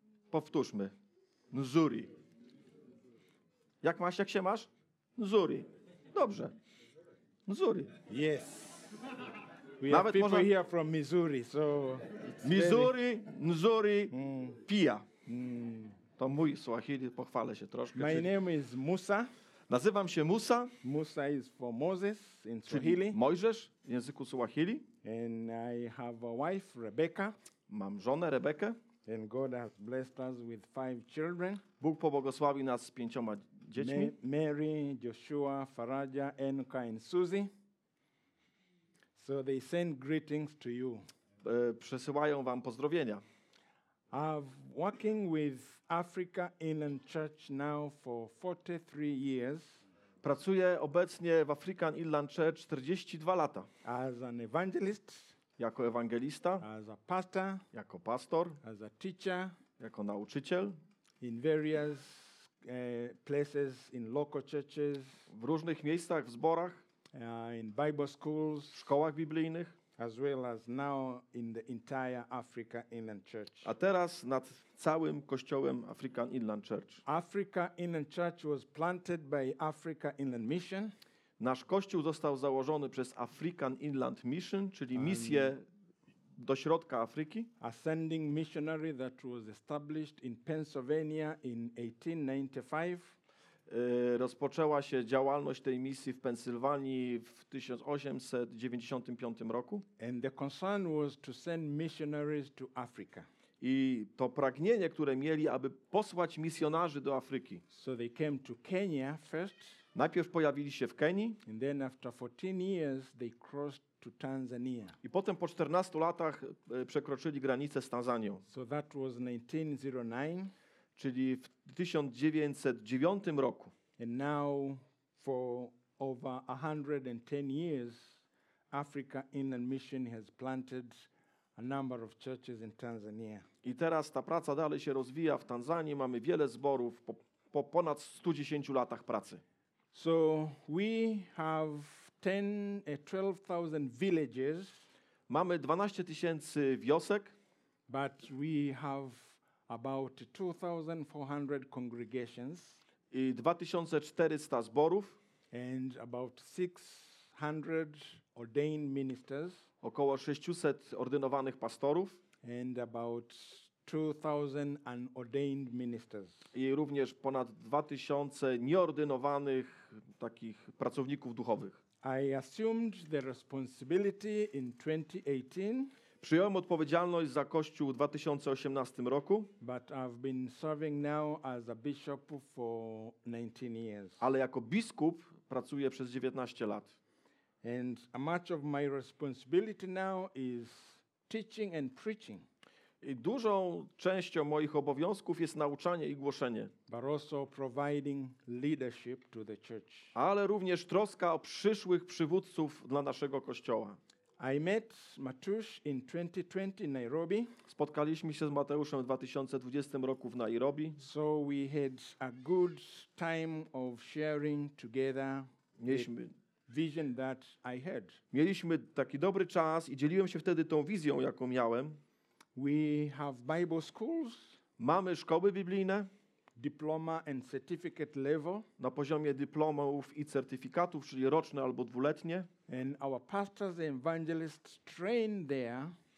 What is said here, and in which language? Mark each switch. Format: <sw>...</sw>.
<pl>Powtórzmy. Nzuri. Jak się masz? Nzuri. Dobrze. Nzuri.</pl> <en>Yes. We have people</en> <pl>można...</pl> <en>here from Missouri, so Missouri, very...</en> <sw>Nzuri, pia.</sw> <pl>To mój Swahili, pochwalę się troszkę.</pl> <en>My name is Musa.</en> <pl>Nazywam się Musa.</pl> <en>Musa is for Moses in Swahili.</en> <pl>Mojżesz w języku Swahili.</pl> <en>And I have a wife, Rebecca.</en> <pl>Mam żonę, Rebekę.</pl> <en>And God has blessed us with 5 children.</en> <pl>Bóg pobłogosławi nas z 5 dziećmi.</pl> <en>Mary, Joshua, Faraja, Enka and Suzy. So they send greetings to you.</en> <pl>Przesyłają wam pozdrowienia.</pl> <en>I've working with Africa Inland Church now for 43 years.</en> <pl>Pracuję obecnie w African Inland Church 42 lata.</pl> <en>As an evangelist.</en> <pl>Jako ewangelista.</pl> <en>As a pastor.</en> <pl>Jako pastor.</pl> <en>As a teacher.</en> <pl>Jako nauczyciel.</pl> <en>In various places in local churches.</en> <pl>W różnych miejscach, w zborach.</pl> <en>In Bible schools.</en> <pl>W szkołach biblijnych.</pl> <en>As well as now in the entire Africa Inland Church.</en> <pl>A teraz nad całym kościołem African Inland Church.</pl> <en>Africa Inland Church was planted by Africa Inland Mission.</en> <pl>Nasz kościół został założony przez African Inland Mission, czyli misję do środka Afryki.</pl> <en>Ascending missionary that was established in Pennsylvania in 1895.</en> <pl>Rozpoczęła się działalność tej misji w Pensylwanii w 1895 roku.</pl> <en>And the concern was to send missionaries to Africa.</en> <pl>I to pragnienie, które mieli, aby posłać misjonarzy do Afryki.</pl> <en>So they came to Kenya first.</en> <pl>Najpierw pojawili się w Kenii.</pl> <en>And then after 14 years they crossed to Tanzania.</en> <pl>I potem po 14 latach przekroczyli granicę z Tanzanią.</pl> <en>So that was 1909.</en> <pl>Czyli w 1909 roku.</pl> <en>And now for over 110 years Africa Inland Mission has planted a number of churches in Tanzania.</en> <pl>I teraz ta praca dalej się rozwija w Tanzanii, mamy wiele zborów po ponad 110 latach pracy.</pl> <en>So we have 12,000 villages.</en> <pl>Mamy 12 tysięcy wiosek.</pl> <en>But we have about 2400 congregations</en> <pl>i 2400 zborów</pl> <en>and about 600 ordained ministers,</en> <pl>około 600 ordynowanych pastorów</pl> <en>and about 2000 unordained ministers</en> <pl>i również ponad 2000 nieordynowanych takich pracowników duchowych.</pl> <en>I assumed the responsibility in 2018.</en> <pl>Przyjąłem odpowiedzialność za Kościół w 2018 roku.</pl> <en>But I've been serving now as a bishop for 19 years.</en> <pl>Ale jako biskup pracuję przez 19 lat.</pl> <en>And much of my responsibility now is teaching and preaching.</en> <pl>I dużą częścią moich obowiązków jest nauczanie i głoszenie.</pl> <en>But also providing leadership to the church.</en> <pl>Ale również troska o przyszłych przywódców dla naszego Kościoła.</pl> <en>I met Matush in 2020 in Nairobi.</en> <pl>Spotkaliśmy się z Mateuszem w 2020 roku w Nairobi.</pl> <en>So we had a good time of sharing together.</en> <pl>Mieliśmy</pl> <en>vision that I had.</en> <pl>Mieliśmy taki dobry czas i dzieliłem się wtedy tą wizją, jaką miałem.</pl> <en>We have Bible schools.</en> <pl>Mamy szkoły biblijne.</pl> <en>Diploma and certificate level.</en> <pl>Na poziomie dyplomów i certyfikatów, czyli roczne albo dwuletnie.</pl> <en>And our pastors and evangelists train there.</en>